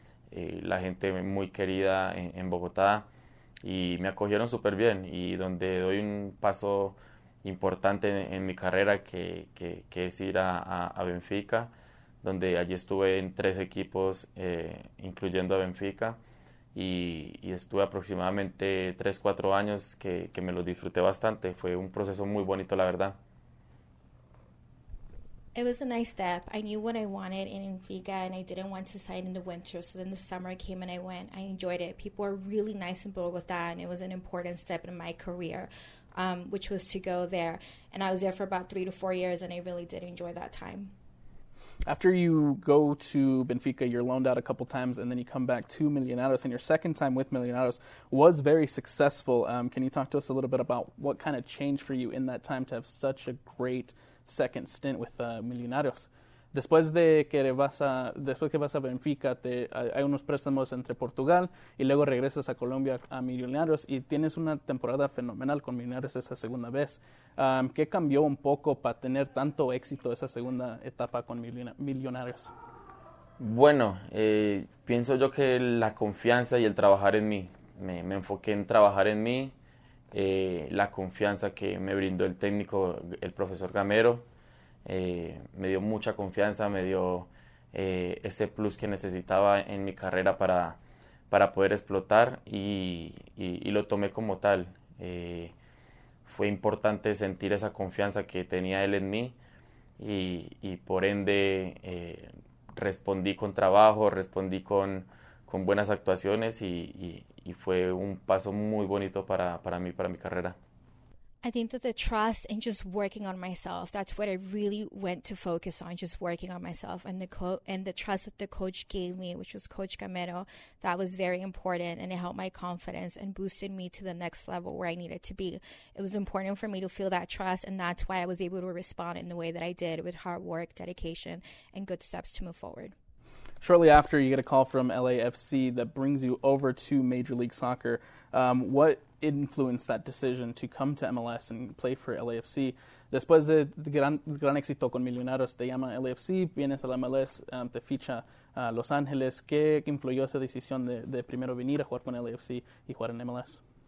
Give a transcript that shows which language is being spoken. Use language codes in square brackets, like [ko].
[es] La gente muy querida en Bogotá, y me acogieron súper bien, y donde doy un paso importante en mi carrera, que es ir a Benfica, donde allí estuve en 3 equipos, incluyendo a Benfica, y estuve aproximadamente 3-4 años que me los disfruté bastante. Fue un proceso muy bonito, la verdad. [en] It was a nice step. I knew what I wanted in Benfica, and I didn't want to sign in the winter. So then the summer came and I went. I enjoyed it. People are really nice in Bogota, and it was an important step in my career, which was to go there. And I was there for about 3 to 4 years, and I really did enjoy that time. After you go to Benfica, you're loaned out a couple times, and then you come back to Millonarios, and your second time with Millonarios was very successful. Can you talk to us a little bit about what kind of changed for you in that time to have such a great second stint with Millonarios? [es] Después de que vas a, después que vas a Benfica, hay unos préstamos entre Portugal y luego regresas a Colombia a Millonarios y tienes una temporada fenomenal con Millonarios esa segunda vez. ¿Qué cambió un poco para tener tanto éxito esa segunda etapa con Millonarios? Bueno, pienso yo que la confianza y el trabajar en mí. Me enfoqué en trabajar en mí. La confianza que me brindó el técnico, el profesor Gamero, me dio mucha confianza, me dio ese plus que necesitaba en mi carrera para poder explotar y lo tomé como tal. Fue importante sentir esa confianza que tenía él en mí y por ende respondí con trabajo, respondí con buenas actuaciones y fue un paso muy bonito para mí, para mi carrera. [en] I think that the trust and just working on myself, that's what I really went to focus on, just working on myself. And the trust that the coach gave me, which was Coach Gamero, that was very important. And it helped my confidence and boosted me to the next level where I needed to be. It was important for me to feel that trust. And that's why I was able to respond in the way that I did, with hard work, dedication, and good steps to move forward. Shortly after, you get a call from LAFC that brings you over to Major League Soccer. What influenced that decision to come to MLS and play for LAFC? [es] Después de gran éxito con Millonarios, te llama LAFC, vienes a la MLS, te ficha Los Ángeles. ¿Qué influyó esa decisión de primero venir a jugar con LAFC y jugar en MLS?